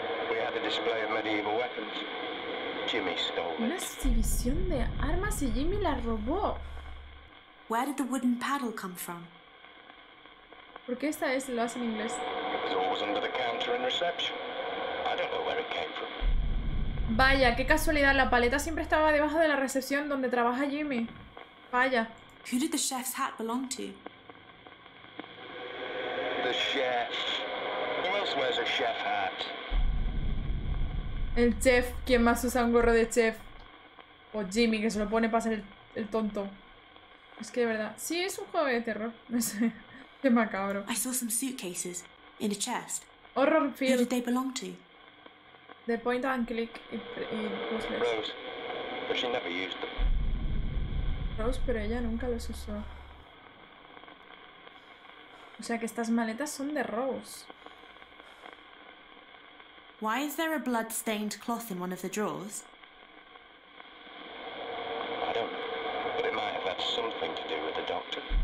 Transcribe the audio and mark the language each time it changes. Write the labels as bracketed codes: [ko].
[en] We had a display of medieval weapons. Jimmy stole it. [es] Una exhibición de armas y Jimmy la robó. [en] Where did the wooden paddle come from? [es] ¿Por qué esta vez lo hace en inglés? [en] It was always under the counter in reception. I don't know where it came from. [es] Vaya, qué casualidad, la paleta siempre estaba debajo de la recepción donde trabaja Jimmy. Vaya. [en] Who did the chef's hat belong to? The chef. Who else wears a chef hat? [es] El chef, ¿quién más usa un gorro de chef? O Jimmy, que se lo pone para ser el tonto. Es que de verdad, sí, es un juego de terror. No sé, qué macabro. [en] I saw some suitcases in a chest. Horror film. Who did they belong to? The point and click [es] y [en] puzzles. Rose, but she never used them. [es] Rose, pero ella nunca los usó. O sea que estas maletas son de Rose. [en] Why is there a blood-stained cloth in one of the drawers? I don't know, but it might have had something to do with the doctor.